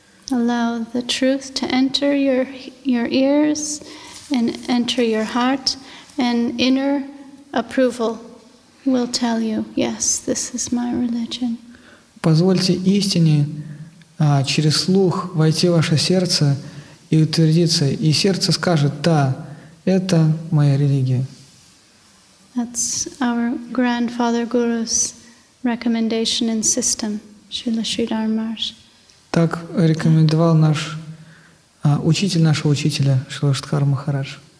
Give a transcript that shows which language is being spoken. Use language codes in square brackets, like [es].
[en] Allow the truth to enter your ears and enter your heart, and inner approval will tell you, yes, this is my religion. [ru] Позвольте истине через слух войти в ваше сердце и утвердиться, и сердце скажет, да, это моя религия. [en] That's our grandfather guru's recommendation and system, Srila Sridhar Maharaj. [ru] Так рекомендовал наш учитель нашего учителя Шрила Шридхара Махарадж.